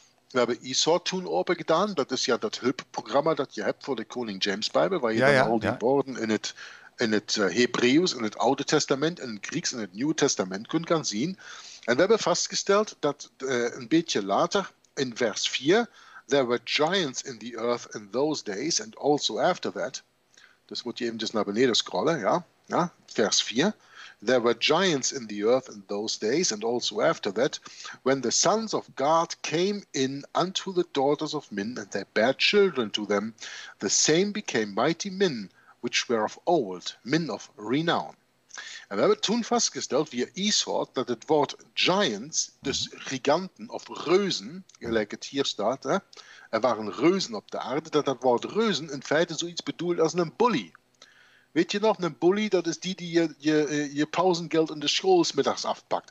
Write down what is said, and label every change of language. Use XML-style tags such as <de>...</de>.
<nl>We hebben eSort toen open gedaan. Dat is ja dat hulpprogramma dat je hebt voor de Koning James Bijbel, waar je al die woorden in het Hebreeuws, in het Oude Testament, in het Grieks en het Nieuwe Testament kunt gaan zien. En we hebben vastgesteld dat een beetje later, in vers 4,</nl> <en>there were giants in the earth in those days and also after that.</en> <nl>Dus moet je even naar beneden scrollen, ja. Ja, vers 4.</nl> <en>There were giants in the earth in those days and also after that, when the sons of God came in unto the daughters of men and they bare children to them, the same became mighty men which were of old, men of renown.</en> <nl>En we hebben toen vastgesteld via eSort dat het woord giants, dus giganten of reuzen, gelijk het hier staat, hè, er waren reuzen op de aarde, dat woord reuzen in feite zoiets bedoelt als een bully. Weet je nog, een bully, dat is die je pauzengeld in de school middags afpakt.</nl>